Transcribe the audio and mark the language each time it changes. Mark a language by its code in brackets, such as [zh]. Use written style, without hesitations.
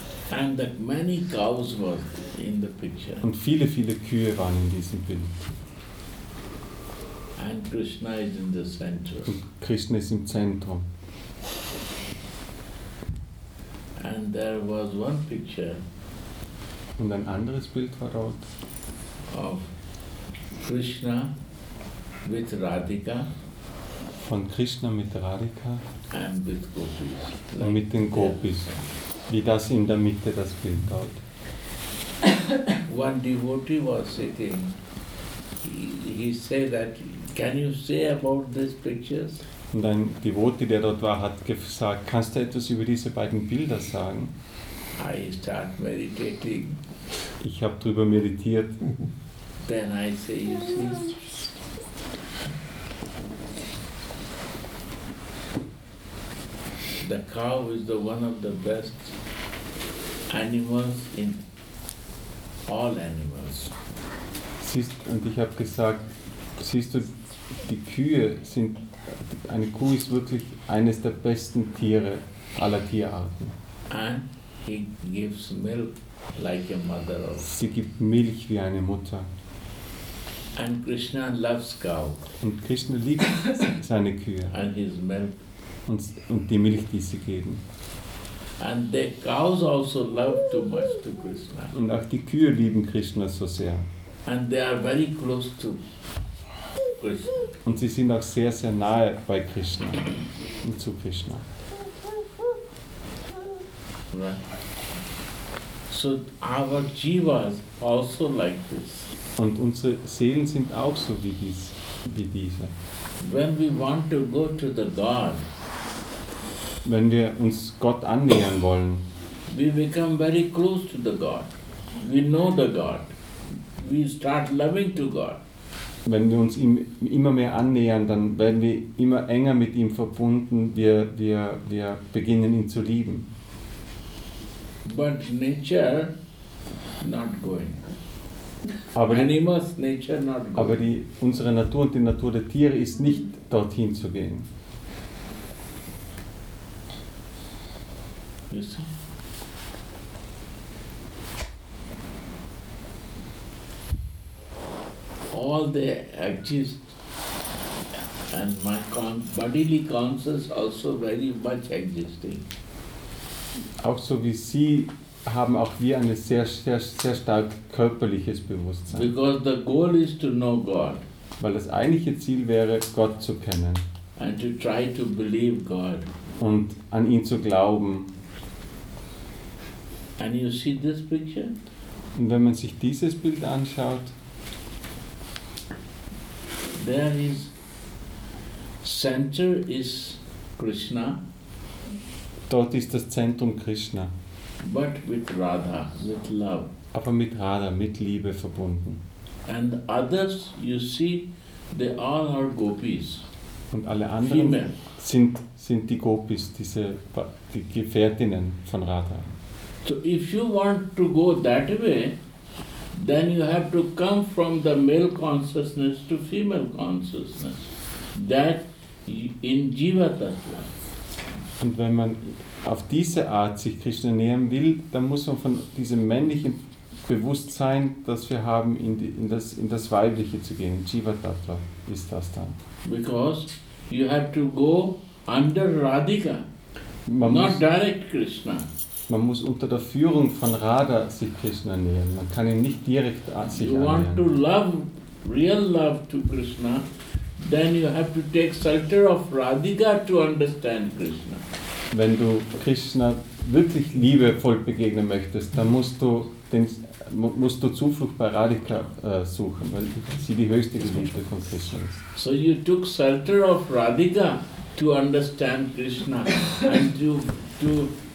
[en] And the many cows were in the picture. [de] Und viele, viele Kühe waren in diesem Bild. [en] And Krishna is in the center. [de] Und Krishna ist im Zentrum. [en] And there was one picture. [de] Und ein anderes Bild war dort. [en] Of Krishna with Radhika. [de] Von Krishna mit Radhika. [en] And with Gopis. [de] Und mit den Gopis. Wie das in der Mitte das Bild dort. [en] One devotee was sitting. He said that, can you say about these pictures? [de] Und ein Devote, der dort war, hat gesagt, kannst du etwas über diese beiden Bilder sagen? [en] I start meditating. [de] Ich habe drüber meditiert. [en] Then I say, you see, the cow is the one of the best animals in all animals. [de] Und ich habe gesagt, siehst du, die Kühe sind, eine Kuh ist wirklich eines der besten Tiere aller Tierarten. [en] And he gives milk. Like a mother also. [de] Sie gibt Milch wie eine Mutter. [en] And Krishna loves cow. [de] Und Krishna liebt seine Kühe. [en] And his milk. [de] Und die Milch, die sie geben. [en] And the cows also love too much to Krishna. [de] Und auch die Kühe lieben Krishna so sehr. [en] And they are very close to Krishna. [de] Und sie sind auch sehr, sehr nahe bei Krishna und zu Krishna. [en] Right. So our jivas also like this. [de] Und unsere Seelen sind auch so wie dies, wie diese. [en] When we want to go to the God, [de] wenn wir uns Gott annähern wollen, [en] we become very close to the God. We know the God. We start loving to God. [de] Wenn wir uns ihm immer mehr annähern, dann werden wir immer enger mit ihm verbunden. Wir beginnen ihn zu lieben. [en] But nature not going. [de] Aber [en] animals nature not going. [de] Aber die unsere Natur und die Natur der Tiere ist nicht dorthin zu gehen. [en] You see? All the exist and my bodily consciousness also very much existing. [de] Auch so wie Sie haben auch wir ein sehr, sehr, sehr stark körperliches Bewusstsein. [en] Because the goal is to know God. [de] Weil das eigentliche Ziel wäre, Gott zu kennen. [en] And to try to believe God. [de] Und an ihn zu glauben. [en] And you see this picture? [de] Und wenn man sich dieses Bild anschaut, [en] there is center is Krishna. [de] Dort ist das Zentrum Krishna. [en] But with Radha, with love. [de] Aber mit Radha, mit Liebe verbunden. [en] And others, you see, they all are gopis. [de] Und alle anderen sind die Gopis, die Gefährtinnen von Radha. [en] So if you want to go that way, then you have to come from the male consciousness to female consciousness. That in Jiva Tattva. [de] Und wenn man auf diese Art sich Krishna nähern will, dann muss man von diesem männlichen Bewusstsein, das wir haben, in das Weibliche zu gehen. Jiva Tattva ist das dann. [en] Because you have to go under Radhika, [de] man [en] not [de] muss, [en] direct Krishna. [de] Man muss unter der Führung von Radha sich Krishna nähern. Man kann ihn nicht direkt sich [en] you [de] annähern. [en] You want to love, real love to Krishna, then you have to take shelter of Radhika to understand Krishna. [de] Wenn du Krishna wirklich liebevoll begegnen möchtest, dann musst du Zuflucht bei Radhika suchen, weil sie die höchste Geliebte von Krishna ist. [en] So you took shelter of Radhika to understand Krishna and to